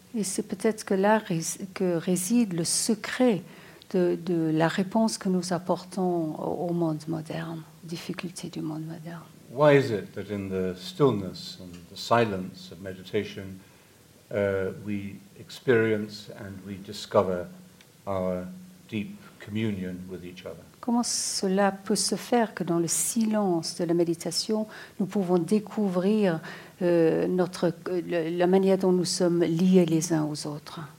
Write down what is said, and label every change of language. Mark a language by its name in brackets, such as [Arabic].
[French] Et c'est peut-être que là que réside le secret de la réponse que nous apportons au monde moderne, aux difficultés du monde moderne. [English] Why is it that in the stillness and the silence of meditation, we experience and we discover our deep communion with each other? [French] Comment cela peut se faire que dans le silence de la méditation, nous pouvons découvrir la manière dont nous sommes liés les uns aux autres?